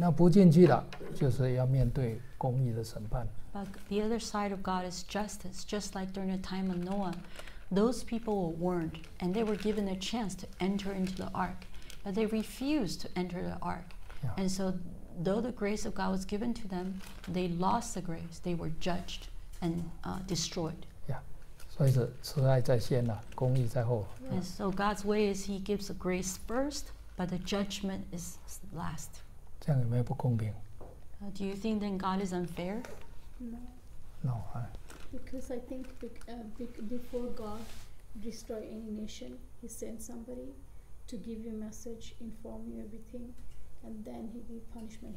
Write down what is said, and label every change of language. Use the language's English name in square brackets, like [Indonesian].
[Chinese] 好像挪亚时代，方舟门已经开了，你不进去，那不进去了，就是要面对公义的审判。 [English] But the other side of God is justice, just like during the time of Noah. Those people were warned, and they were given a chance to enter into the ark, but they refused to enter the ark. Yeah. And so, though the grace of God was given to them, they lost the grace. They were judged and destroyed. Yeah. [Chinese] 所以是慈爱在先，公义在后。 [English] And so God's way is He gives the grace first, but the judgment is last. [Chinese] 这样有没有不公平？ [English] Do you think then God is unfair? No. No. Because I think before God destroy any nation, He sent somebody to give you a message, inform you everything, and then He give punishment.